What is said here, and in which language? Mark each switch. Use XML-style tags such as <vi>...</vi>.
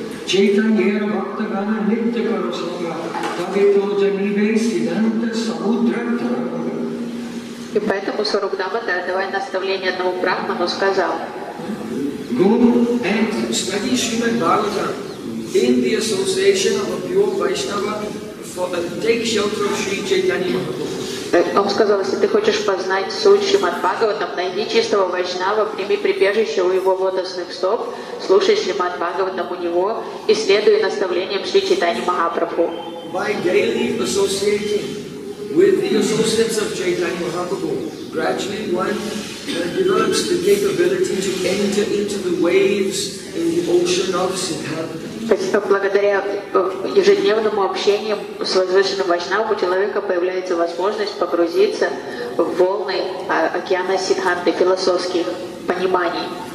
<sa>Чайтаньяра Бхактагана Нитта Карусага Тавито Джанибе Сиданта Саудра Тарапага.</sa> <ru>И поэтому Сарукдама давая наставление одному брахману, сказал:</ru> <en>Go and study Srimad Bhagavatam in the association of a pure Vaishnava take shelter of Sri Chaitanya Mahaprabhu.</en> <ru>Он сказал, если ты хочешь познать суть Шримад Бхагаватам, найди чистого Вайшнава, прими прибежище у его лотосных стоп, слушай Шримад Бхагаватам у него и следуй наставлениям Шри Чайтани Махапрабху.</ru> <en>By daily associating with the associates of Chaitanya Mahaprabhu, gradually one develops the capability to enter into the waves in the ocean of Siddhartha.</en> <ru>Благодаря ежедневному общению с возвышенным вайшнавом у человека появляется возможность погрузиться в волны океана Сиддханты, философских пониманий.</ru>